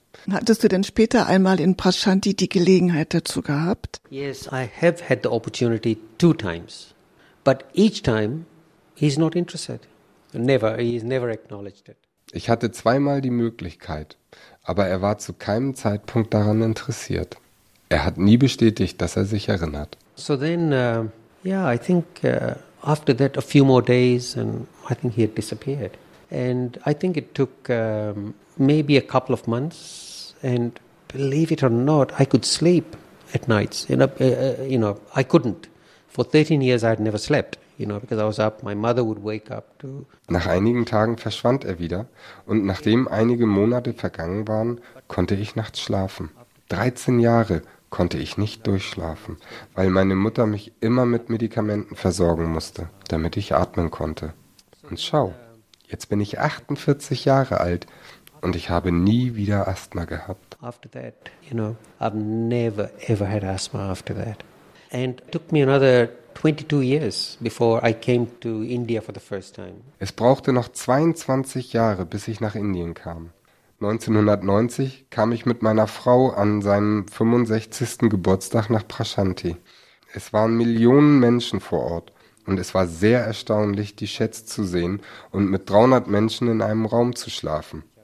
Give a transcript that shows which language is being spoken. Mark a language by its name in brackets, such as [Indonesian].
[German] Hattest du denn später einmal in Prashanti die Gelegenheit dazu gehabt? [English] Yes, I have had the opportunity two times, but each time he's not interested. Never, he's never acknowledged it. Ich hatte zweimal die Möglichkeit, aber er war zu keinem Zeitpunkt daran interessiert. Er hat nie bestätigt, dass er sich erinnert. So then, after that a few more days, and I think he had disappeared. And I think it took maybe a couple of months. And believe it or not, I could sleep at nights. I couldn't. For 13 years, I had never slept. You know, because I was up. My mother would wake up to. [German] Nach einigen Tagen verschwand er wieder, und nachdem einige Monate vergangen waren, konnte ich nachts schlafen. 13 Jahre konnte ich nicht durchschlafen, weil meine Mutter mich immer mit Medikamenten versorgen musste, damit ich atmen konnte. Und schau, jetzt bin ich 48 Jahre alt und ich habe nie wieder Asthma gehabt. [English] After that, you know, I've never ever had asthma after that. And it took me another 22 years before I came to India for the first time. [German] Es brauchte noch 22 Jahre, bis ich nach Indien kam. 1990 kam ich mit meiner Frau an seinem 65. Geburtstag nach Prashanti. Es waren Millionen Menschen vor Ort und es war sehr erstaunlich, die Schätze zu sehen und mit 300 Menschen in einem Raum zu schlafen.